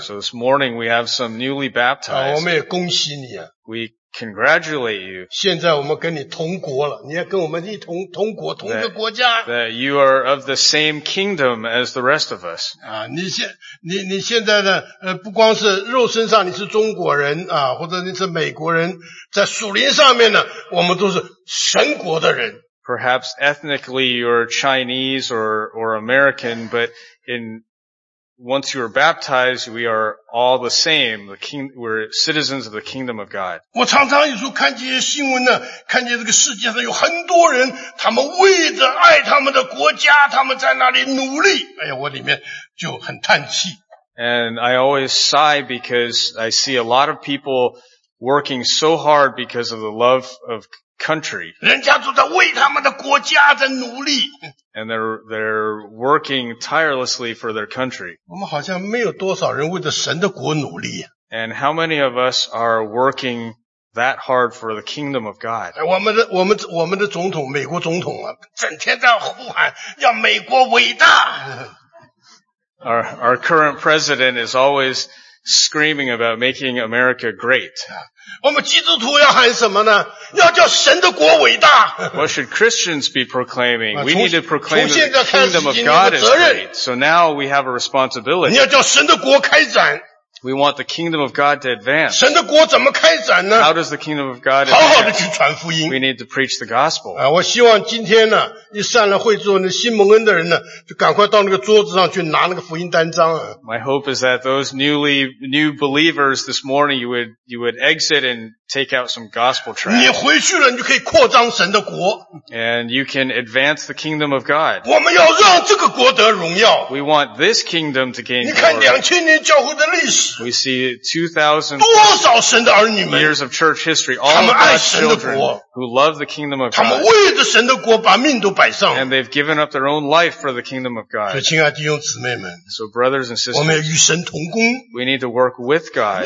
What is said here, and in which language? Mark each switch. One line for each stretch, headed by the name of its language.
English: ，So this morning we have some newly baptized.
Chinese: 啊，我们也恭喜你啊
English: ，We congratulate you.
Chinese: 现在我们跟你同国了，你要跟我们一同国，同一个国家。
English: That you are of the same kingdom as the rest of us.
Chinese: 啊，你现在呢？不光是肉身上你是中国人啊，或者你是美国人，在属灵上面呢，我们都是神国的人。
English: Perhaps ethnically you're Chinese or American, but in Once you are baptized, we are all the same. We're citizens of the kingdom of God.
Chinese: 我常常有时候看这些新闻呢，看见这个世界上有很多人，他们为着爱他们的国家，他们在那里努力。哎呀，我里面就很叹气。
English: And I always sigh because I see a lot of people working so hard because of the love of country.
Chinese: 人家都在为他们的国家在努力。
English: And they're working tirelessly for their country.
Chinese: 我们好像没有多少人为着神的国努力。
English: And how many of us are working that hard for the kingdom of God?
Chinese: 我们的总统，美国总统啊，整天在呼喊，要美国伟大。
English: Our current president is always screaming about making America great.
Chinese: 我们基督徒要喊什么呢？要叫神的国伟大。
English: What should Christians be proclaiming? We need to proclaim the kingdom of God is great. So now we have a responsibility.
Chinese: 你要叫神的国开展。
English: We want the kingdom of God to advance.
Chinese: 神的国怎么开展呢？
English: How does the kingdom of God advance?
Chinese: 好好的去传福音。
English: We need to preach the gospel.
Chinese: 我希望今天呢，一散了会之后，那新蒙恩的人呢，就赶快到那个桌子上去拿那个福音单张。
English: My hope is that those new believers this morning, you would exit and take out some gospel tracts.
Chinese: 你回去了，你就可以扩张神的国。
English: And you can advance the kingdom of God.
Chinese: 我们要让这个国得荣耀。
English: We want this kingdom to gain glory.
Chinese: 你看2000年教会的历史。
English: We see 2,000 years of church history, all of God's children who love the kingdom of God. And they've given up their own life for the kingdom of God. So brothers and sisters, we need to work with God.